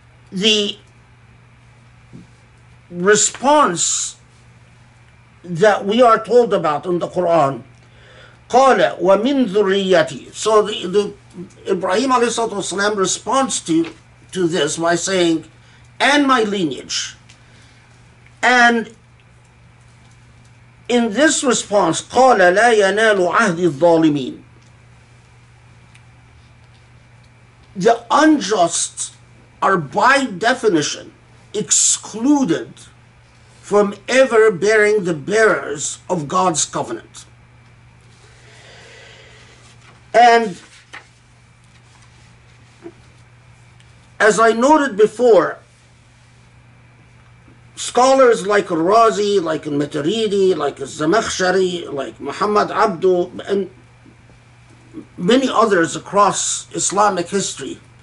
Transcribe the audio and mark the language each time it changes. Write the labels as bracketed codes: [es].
[en] The response that we are told about in the Quran, [ar] قَالَ وَمِن ذُرِّيَّتِي. [en] So the Ibrahim alayhi salatu wasalam responds to this by saying, and my lineage. And in this response, [ar] قَالَ لَا يَنَالُ عَهْدِ الظَّالِمِينَ. [en] The unjust are by definition excluded from ever bearing the bearers of God's covenant. And as I noted before, scholars like Razi, like Maturidi, like Zamakhshari, like Muhammad Abdu, and many others across Islamic history,